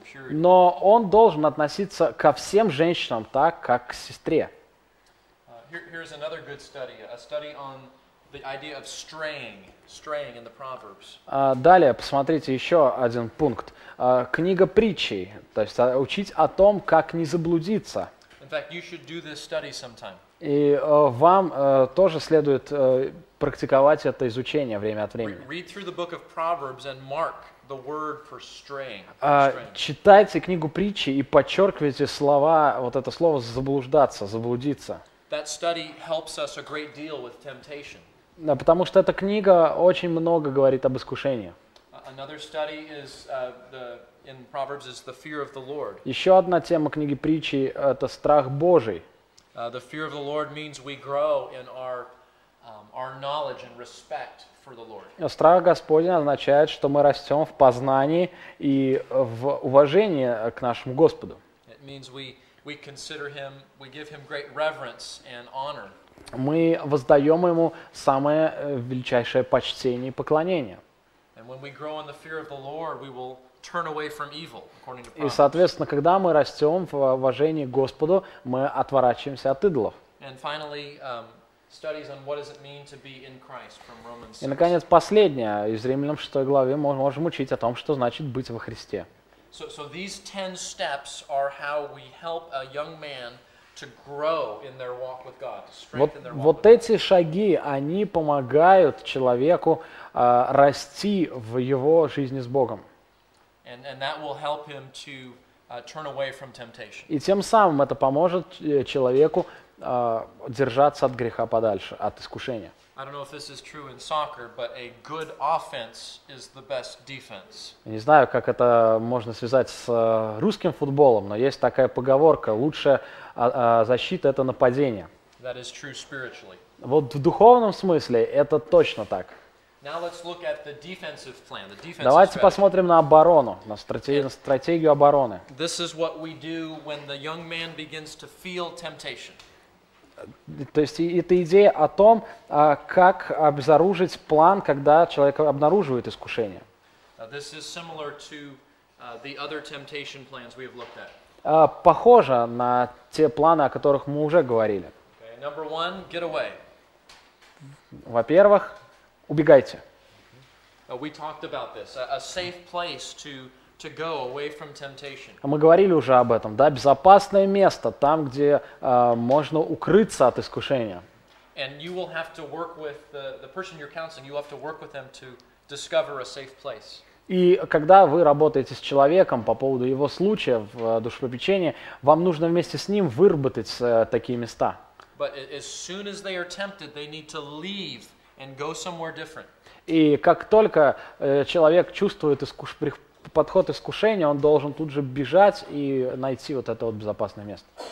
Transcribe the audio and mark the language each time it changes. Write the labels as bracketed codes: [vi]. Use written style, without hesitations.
[ru] Но он должен относиться ко всем женщинам так, как к сестре. [en] Here's another good study, a study on the idea of straying in the Proverbs. [ru] Далее, посмотрите еще один пункт. Книга притчей, то есть учить о том, как не заблудиться. [en] In fact, you should do this study sometime. [ru] И вам тоже следует практиковать это изучение время от времени. [en] Read through the book of Proverbs and mark the word for straying. [ru] Читайте книгу притчи и подчеркивайте слова, вот это слово заблуждаться, заблудиться. [en] That study helps us a great deal with temptation. [ru] Да, потому что эта книга очень много говорит об искушении. [en] Another study is in Proverbs is the fear of the Lord. [ru] Еще одна тема книги притчи – это страх Божий. [en] The fear of the Lord means we grow in our knowledge and respect for the Lord. [ru] Страх Господень означает, что мы растем в познании и в уважении к нашему Господу. [en] It means we consider him, we give him great reverence and honor. [ru] Мы воздаем ему самое величайшее почтение и поклонение. [en] And when we grow in the fear of the Lord, we will turn away from evil, according to Proverbs. [ru] И, соответственно, когда мы растем в уважении к Господу, мы отворачиваемся от идолов. [en] And finally, studies on what does it mean to be in Christ from Romans 6. [ru] И, наконец, последнее. Из Римлянам 6 главе мы можем учить о том, что значит быть во Христе. [en] So these 10 steps are how we help a young man to grow in their walk with God, to strengthen their walk. [ru] Вот эти шаги, они помогают человеку расти в его жизни с Богом. [en] And that will help him to turn away from temptation. [ru] И тем самым это поможет человеку держаться от греха подальше, от искушения. [en] I don't know if this is true in soccer, but a good offense is the best defense. [ru] Не знаю, как это можно связать с русским футболом, но есть такая поговорка: лучшая защита – это нападение. [en] That is true spiritually. [ru] Вот в духовном смысле это точно так. [en] Now let's look at the defensive plan, the defensive. [ru] Давайте [en] strategy. [ru] Посмотрим на оборону, на стратегию обороны. [en] This is what we do when the young man begins to feel temptation. [ru] То есть это идея о том, как обезоружить план, когда человек обнаруживает искушение. [en] This is similar to the other temptation plans we have looked at. [ru] Похоже на те планы, о которых мы уже говорили. [en] Okay, number one, get away. [ru] Во-первых, убегайте. [en] We talked about this. A safe place to go away from temptation. [ru] Мы говорили уже об этом, да, безопасное место, там, где можно укрыться от искушения. [en] And you will have to work with the person you're counseling, you have to work with them to discover a safe place. [ru] И когда вы работаете с человеком по поводу его случая в душепопечении, вам нужно вместе с ним выработать такие места. [en] But as soon as they are tempted, they need to leave and go somewhere different. [ru] И как только человек чувствует искушение, подход искушения, он должен тут же бежать и найти вот это вот безопасное место.